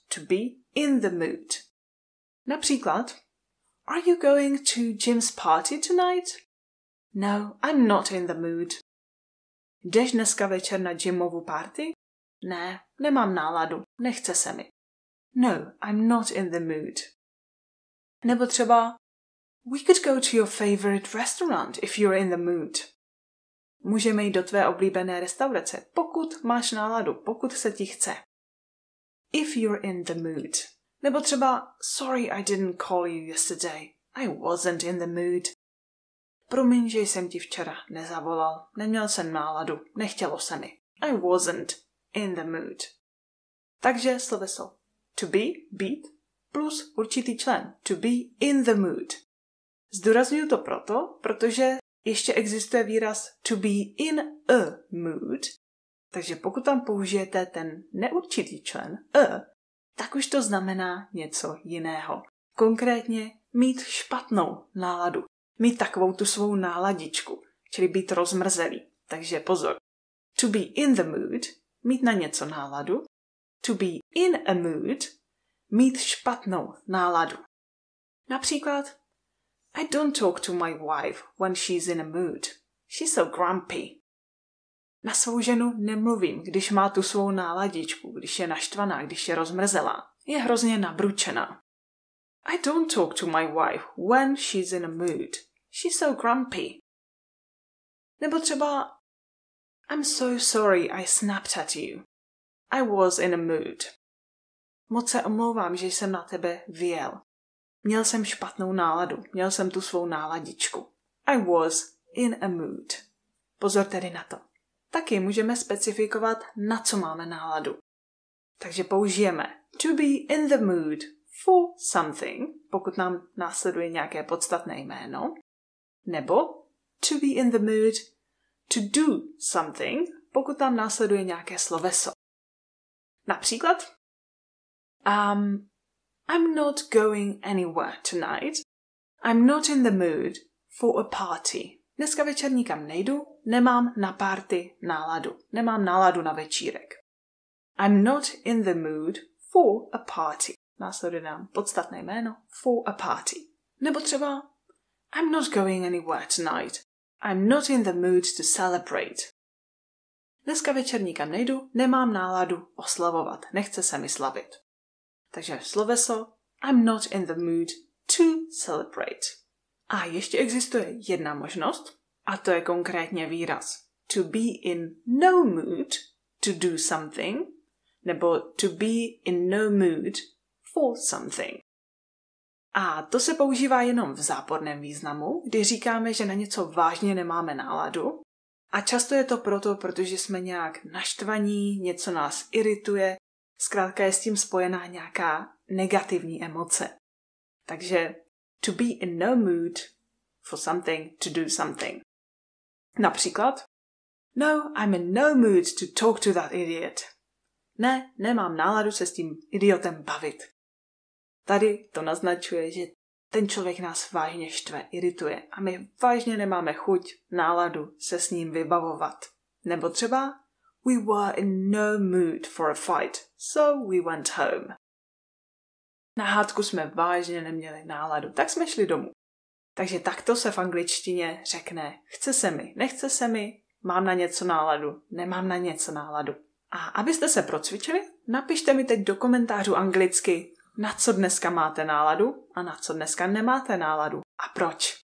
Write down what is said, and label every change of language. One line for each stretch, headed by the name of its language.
English: To be in the mood.
Czech: Například
English: Are you going to Jim's party tonight? No, I'm not in the mood.
Czech: Jdeš dneska večer na Jimovu party? Ne, nemám náladu, nechce se mi.
English: No, I'm not in the mood.
Czech: Nebo třeba
English: We could go to your favorite restaurant if you're in the mood.
Czech: Můžeme jít do tvé oblíbené restaurace, pokud máš náladu, pokud se ti chce.
English: If you're in the mood.
Czech: Nebo třeba
English: Sorry, I didn't call you yesterday. I wasn't in the mood.
Czech: Promiň, že jsem ti včera nezavolal. Neměl jsem náladu. Nechtělo se mi.
English: I wasn't in the mood.
Czech: Takže sloveso to be, být, plus určitý člen.
English: To be in the mood.
Czech: Zdůraznuju to proto, protože Ještě existuje výraz
English: to be in a mood,
Czech: takže pokud tam použijete ten neurčitý člen a, tak už to znamená něco jiného. Konkrétně mít špatnou náladu, mít takovou tu svou náladičku, čili být rozmrzelý. Takže pozor,
English: to be in the mood,
Czech: mít na něco náladu,
English: to be in a mood,
Czech: mít špatnou náladu. Například,
English: I don't talk to my wife when she's in a mood. She's so grumpy.
Czech: Na svou ženu nemluvím, když má tu svou náladičku, když je naštvaná, když je rozmrzelá. Je hrozně nabručená.
English: I don't talk to my wife when she's in a mood. She's so grumpy.
Czech: Nebo třeba
English: I'm so sorry I snapped at you. I was in a mood.
Czech: Moc se omlouvám, že jsem na tebe vyjel. Měl jsem špatnou náladu, měl jsem tu svou náladičku.
English: I was in a mood.
Czech: Pozor tedy na to. Taky můžeme specifikovat, na co máme náladu. Takže použijeme
English: to be in the mood for something,
Czech: pokud nám následuje nějaké podstatné jméno, nebo
English: to be in the mood to do something,
Czech: pokud nám následuje nějaké sloveso. Například
English: I'm not going anywhere tonight. I'm not in the mood for a party.
Czech: Dneska večer nikam nejdu, nemám na party náladu. Nemám náladu na večírek.
English: I'm not in the mood for a party.
Czech: Následuje nám podstatné jméno
English: for a party.
Czech: Nebo třeba
English: I'm not going anywhere tonight. I'm not in the mood to celebrate.
Czech: Dneska večer nikam nejdu, nemám náladu oslavovat. Nechce se mi slavit. Takže sloveso
English: I'm not in the mood to celebrate.
Czech: A ještě existuje jedna možnost, a to je konkrétně výraz
English: to be in no mood to do something,
Czech: nebo
English: to be in no mood for something.
Czech: A to se používá jenom v záporném významu, kdy říkáme, že na něco vážně nemáme náladu. A často je to proto, protože jsme nějak naštvaní, něco nás irituje, zkrátka je s tím spojená nějaká negativní emoce.
English: Takže to be in no mood for something, to do something.
Czech: Například,
English: No, I'm in no mood to talk to that idiot.
Czech: Ne, nemám náladu se s tím idiotem bavit. Tady to naznačuje, že ten člověk nás vážně štve, irituje a my vážně nemáme chuť, náladu se s ním vybavovat. Nebo třeba,
English: We were in no mood for a fight, so we went home.
Czech: Na hádku jsme vážně neměli náladu, tak jsme šli domů. Takže takto se v angličtině řekne, chce se mi, nechce se mi, mám na něco náladu, nemám na něco náladu. A abyste se procvičili, napište mi teď do komentářů anglicky, na co dneska máte náladu a na co dneska nemáte náladu a proč.